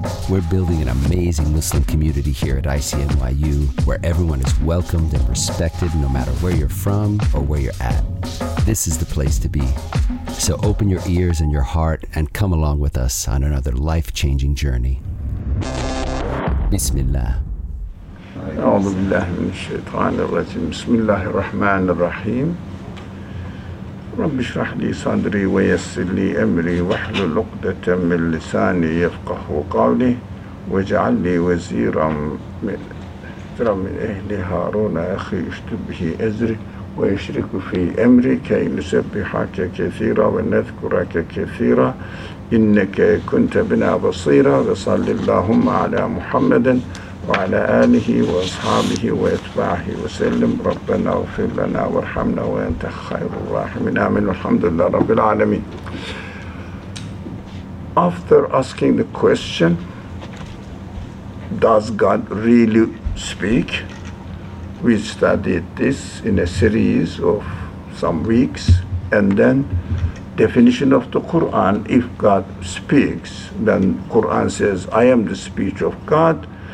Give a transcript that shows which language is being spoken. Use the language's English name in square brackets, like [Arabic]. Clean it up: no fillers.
[English] We're building an amazing Muslim community here at ICNYU, where everyone is welcomed and respected no matter where you're from or where you're at. This is the place to be. So open your ears and your heart and come along with us on another life-changing journey. Bismillah. [Arabic] أعوذ بالله من الشيطان الرجيم. بسم الله الرحمن الرحيم. رب اشرح لي صدري ويسر لي أمري واحلل عقدة من لساني يفقه قولي واجعل لي وزيرا من أهل هارون أخي اشدد به أزري ويشرك في أمري كي نسبحك كثيرا ونذكرك كثيرا إنك كنت بنا بصيرا. وصل اللهم على محمد وعلى آله وأصحابه وأتباعه وسلم. ربنا اغفر لنا وارحمنا وأنت خير الراحمين. آمين. الحمد لله رب العالمين. [English] After asking the question, does God really speak? We studied this in a series of some weeks, and then definition of the Quran: if God speaks, then Quran says, I am the speech of God.